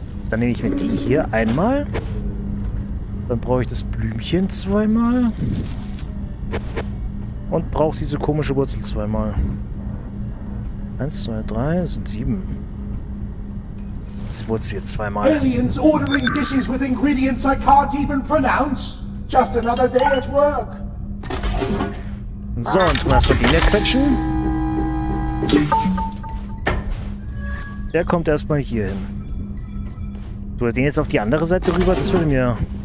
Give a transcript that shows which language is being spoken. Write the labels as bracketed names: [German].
[German] Dann nehme ich mir die hier einmal. Dann brauche ich das Blümchen zweimal. Und brauche diese komische Wurzel zweimal. 1, 2, 3, das sind 7. Das Wurzel hier zweimal. [English] Aliens ordering dishes with ingredients I can't even pronounce. Just another day at work. [German] So, und mal Sabine quetschen. Der kommt erstmal hier hin. So, den jetzt auf die andere Seite rüber, das würde mir.